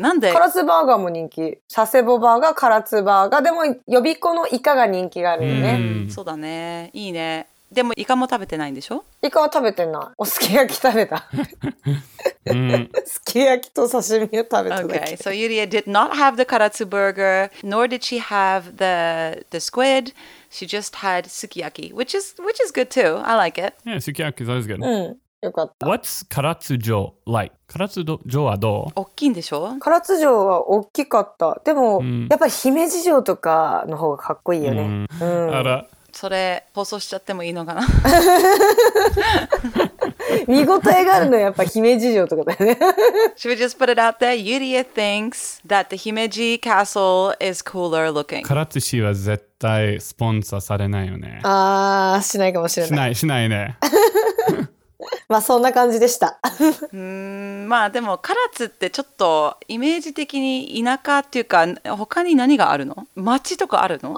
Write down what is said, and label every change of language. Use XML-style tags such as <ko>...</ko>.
<ja>なんで？カラツバーガーも人気。佐世保バーガー、カラツバーガー。でも、予備校のイカが人気があるよね。そうだね。いいね。でも、イカも食べてないんでしょ？イカは食べてない。おすき焼き食べた。すき焼きと刺身を食べただけ。</ja> <en>Okay, so Yuria did not have the Karatsu burger, nor did she have the squid. She just had sukiyaki, which is good too. I like it. Yeah, sukiyaki is always good.</en> <ja>Yokatta.</ja> <en>What's Karatsu-jo like?</en> <ja>Karatsu-jo はどう？大きいんでしょ？ Karatsu-jo は大きかった。でも、やっぱり姫路城とかの方がかっこいいよね。あら。それ、放送しちゃってもいいのかな？見応えがあるのやっぱ姫路城とかだよね。</ja> <en>Should we just put it out there? Yuria thinks that the Himeji castle is cooler looking.</en> <ja>唐津市は絶対スポンサーされないよね。あー、しないかもしれない。しないね。まあそんな感じでした。まあでも唐津ってちょっとイメージ的に田舎っていうか他に何があるの？町とかあるの？</ja>